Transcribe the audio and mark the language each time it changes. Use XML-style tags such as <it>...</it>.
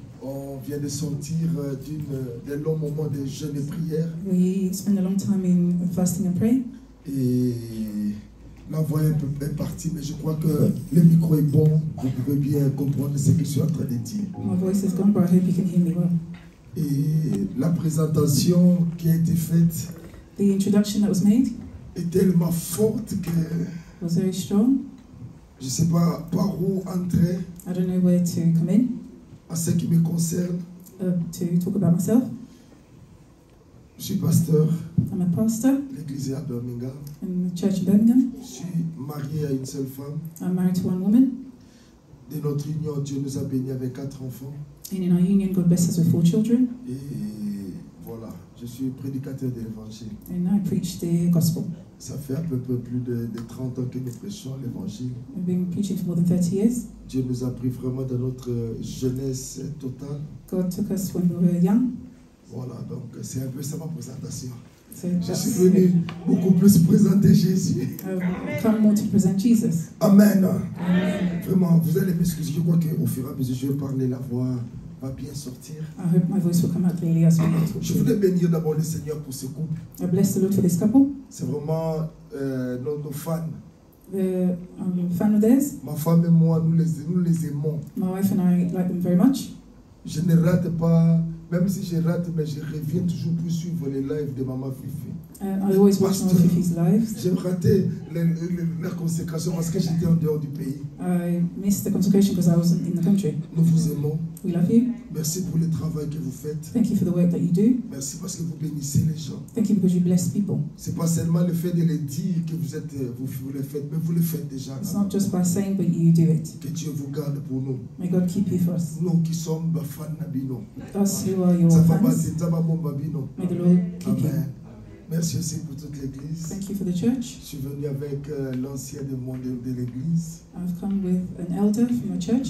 <fr>On vient de sortir d'un long moment de jeûne et prière.</fr> <en>We spent a long time in fasting and praying.</en> <fr>Et la voix est un peu partie, mais je crois que le micro est bon. Vous pouvez bien comprendre ce que je suis en train de dire.</fr> <en>My voice is gone, but I hope you can hear me well.</en> <fr>Et la présentation qui a été faite.</fr> <en>The introduction that was made.</en> <fr>Est tellement forte que.</fr> <en>Was very strong.</en> <fr>Je ne sais pas par où entrer.</fr> <en>I don't know where to come in.</en> <fr>À ce qui me concerne.</fr> <en>To talk about myself.</en> <fr>Je suis pasteur.</fr> <en>I'm a pastor.</en> <fr>L'église est à Birmingham.</fr> <en>In the church in Birmingham.</en> <fr>Je suis marié à une seule femme.</fr> <en>I'm married to one woman.</en> <fr>De notre union, Dieu nous a bénis avec 4 enfants.</fr> <en>And in our union, God blessed us with 4 children.</en> <fr>Et voilà, je suis prédicateur de l'évangile.</fr> <en>And I preach the gospel.</en> <fr>Ça fait un peu plus de 30 ans que nous prêchons l'évangile.</fr> <en>We've been preaching for more than 30 years.</en> <fr>Dieu nous a pris vraiment dans notre jeunesse totale.</fr> <en>God took us when we were young.</en> <fr>Voilà, donc c'est un peu ça ma présentation. Je suis venu beaucoup plus présenter Jésus.</fr> <en>Come more to present Jesus. Amen. Amen.</en> <fr>Vraiment, vous allez m'excuser. Je crois qu'au fur et à mesure, je vais parler, la voix va bien sortir.</fr> <en>I hope my voice will come out clearly as we go.</en> <fr>Je voulais bénir d'abord le Seigneur pour ce couple.</fr> <en>I bless the Lord for this couple.</en> <fr>C'est vraiment nos fans.</fr> <en>Fan of theirs.</en> <fr>Ma femme et moi, nous les aimons.</fr> <en>My wife and I like them very much.</en> <fr>Je ne rate pas Même si je rate, mais je reviens toujours pour suivre les lives de Maman Fifi.</fr> <en>I always watch Maman Fifi's lives.</en> <fr>J'ai raté la consécration parce que j'étais en dehors du pays.</fr> <en>I missed the consecration because I was in the country.</en> <fr>Nous vous aimons.</fr> <en>We love you.</en> <fr>Merci pour le travail que vous faites.</fr> <en>Thank you for the work that you do.</en> <fr>Merci parce que vous bénissez les gens.</fr> <en>Thank you because you bless people.</en> <fr>C'est pas seulement le fait de les dire que vous êtes vous le faites, mais vous le faites déjà.</fr> <en>It's not just by saying, but you do it.</en> <fr>Que Dieu vous garde pour nous.</fr> <en>May God keep you for us.</en> <fr>Nous qui sommes</fr> <ln>bafans nabino.</ln> <en>Us who are your fans.</en> <fr>Ça va bien, ça va bon babino.</fr> <en>May the Lord keep you.</en> <fr>Amen. Merci aussi pour toute l'église.</fr> <en>Thank you for the church.</en> <fr>Je suis venu avec l'ancien de mon de l'église.</fr> <en>I've come with an elder from my church.</en>